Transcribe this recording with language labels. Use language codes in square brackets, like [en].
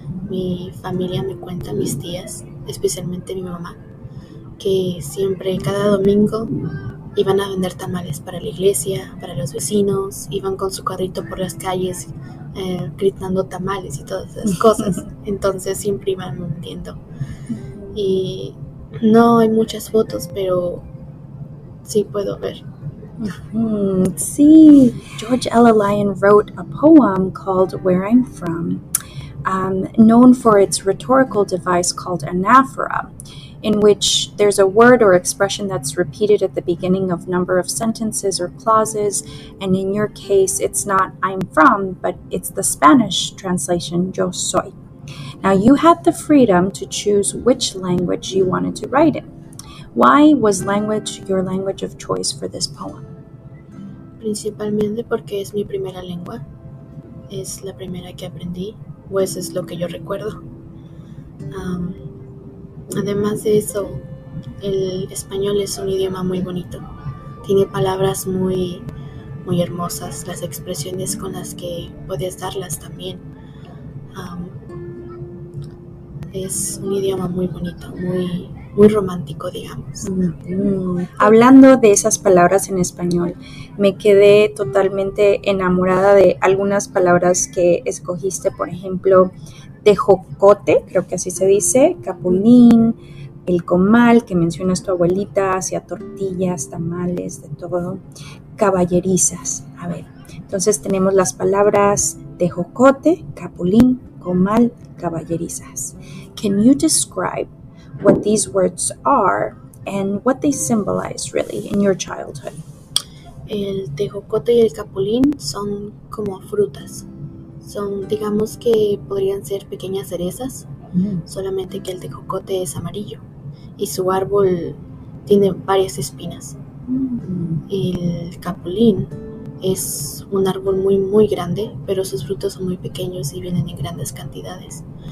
[es] Mi familia me cuenta, mis tías, especialmente mi mamá, que siempre, cada domingo, iban a vender tamales para la iglesia, para los vecinos, iban con su carrito por las calles gritando tamales y todas esas cosas. Entonces siempre iban vendiendo. Y no hay muchas fotos, pero sí puedo ver. [en] See, George Ella Lyon wrote a poem called Where I'm From, known for its rhetorical device called anaphora, in which there's a word or expression that's repeated at the beginning of number of sentences or clauses, and in your case, it's not I'm from, but it's the Spanish translation, [es] yo soy. [en] Now, you had the freedom to choose which language you wanted to write in. Why was language your language of choice for this poem? [es] Principalmente porque es mi primera lengua. Es la primera que aprendí, pues es lo que yo recuerdo. Además de eso, el español es un idioma muy bonito. Tiene palabras muy, muy hermosas, las expresiones con las que puedes darlas también. Es un idioma muy bonito, muy, muy romántico, digamos. Hablando de esas palabras en español, me quedé totalmente enamorada de algunas palabras que escogiste, por ejemplo, tejocote, creo que así se dice, capulín, el comal que mencionas tu abuelita, hacía tortillas, tamales, de todo, caballerizas. A ver, entonces tenemos las palabras tejocote, capulín, comal, caballerizas. [en] Can you describe what these words are and what they symbolize really in your childhood? [es] El tejocote y el capulín son como frutas. Son, digamos que podrían ser pequeñas cerezas, solamente que el tejocote es amarillo y su árbol tiene varias espinas. El capulín es un árbol muy, muy grande, pero sus frutos son muy pequeños y vienen en grandes cantidades.